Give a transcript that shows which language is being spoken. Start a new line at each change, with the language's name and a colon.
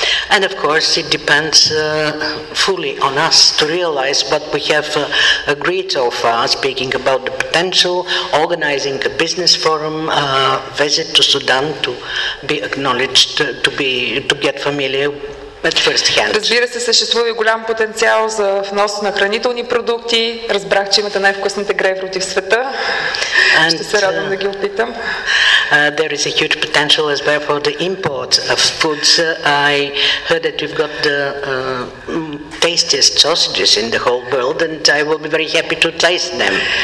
English: And of course it depends fully on us to realize what we have agreed so far, speaking about the potential, organizing a business forum, visit to Sudan to be acknowledged, to get familiar.
Bulgarian: Разбира се, съществува и голям потенциал за внос на хранителни продукти. Разбрах, че имате най-вкусните грейпфрути в света. Ще се радвам да ги опитам.
English: There is a huge potential as well for the import of foods. I heard that you've got the tastiest sausages in the whole world and I will be very happy to taste them.